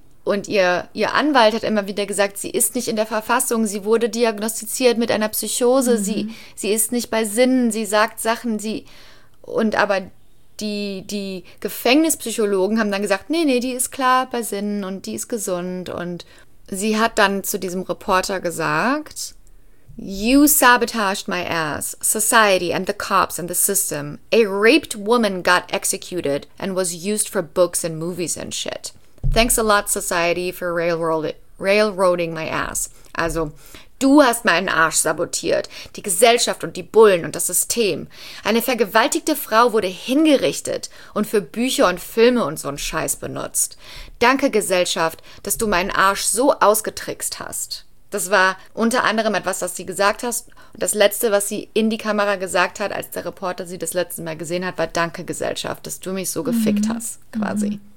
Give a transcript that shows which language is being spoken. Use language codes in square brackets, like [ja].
[de] Und ihr Anwalt hat immer wieder gesagt, sie ist nicht in der Verfassung, sie wurde diagnostiziert mit einer Psychose, sie ist nicht bei Sinnen, sie sagt Sachen, aber die Gefängnispsychologen haben dann gesagt, nee, die ist klar bei Sinnen und die ist gesund. Und sie hat dann zu diesem Reporter gesagt, [en] you sabotaged my ass, society and the cops and the system. A raped woman got executed and was used for books and movies and shit. Thanks a lot, society, for railroading my ass. [de] Also, du hast meinen Arsch sabotiert. Die Gesellschaft und die Bullen und das System. Eine vergewaltigte Frau wurde hingerichtet und für Bücher und Filme und so einen Scheiß benutzt. Danke, Gesellschaft, dass du meinen Arsch so ausgetrickst hast. Das war unter anderem etwas, was sie gesagt hat. Und das Letzte, was sie in die Kamera gesagt hat, als der Reporter sie das letzte Mal gesehen hat, war: Danke, Gesellschaft, dass du mich so gefickt hast, quasi.